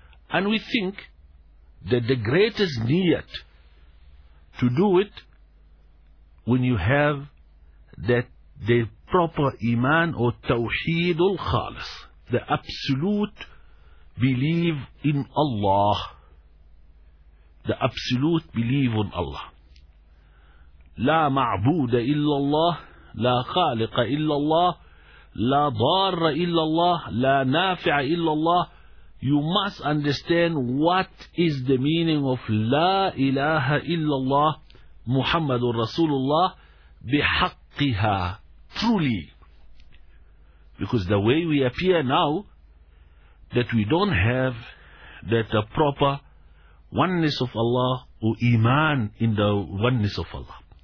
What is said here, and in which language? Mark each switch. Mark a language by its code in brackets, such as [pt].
[en] And we think that the greatest niyat to do it, when you have that the proper iman or tawheedul khalis, the absolute belief in Allah, the absolute belief in Allah. [ar] لا معبود إلا الله لا خالق إلا الله لا ضار إلا الله لا نافع إلا الله. [en] You must understand what is the meaning of [ar] لا إله إلا الله محمد رسول الله بحقها [en] truly. Because the way we appear now, that we don't have that proper oneness of Allah or iman in the oneness of Allah.